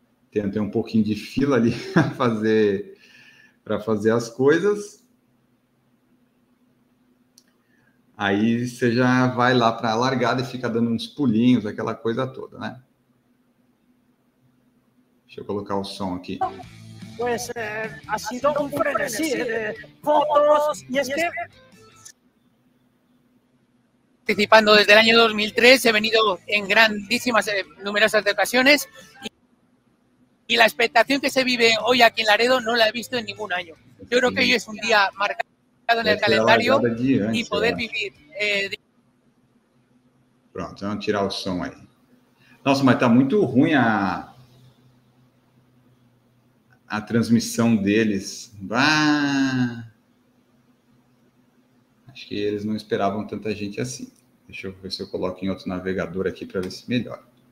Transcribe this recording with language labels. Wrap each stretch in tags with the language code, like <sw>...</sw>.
<pt>Tem um pouquinho de fila ali para fazer as coisas. Aí você já vai lá para a largada e fica dando uns pulinhos, aquela coisa toda, né? Deixa eu colocar o som aqui.</pt> <es>pues ha sido un frenesí de fotos. Y es que participando desde el año 2003, he venido en grandísimas, numerosas ocasiones y la expectación que se vive hoy aquí en Laredo no la he visto en ningún año. Yo creo que hoy es un día marcado en el calendario y poder vivir. Pronto, vamos a tirar el son ahí.</es> <pt>Nossa, mas está muito ruim a transmissão deles. Bah! Acho que eles não esperavam tanta gente assim. Deixa eu ver se eu coloco em outro navegador aqui para ver se melhora.</pt>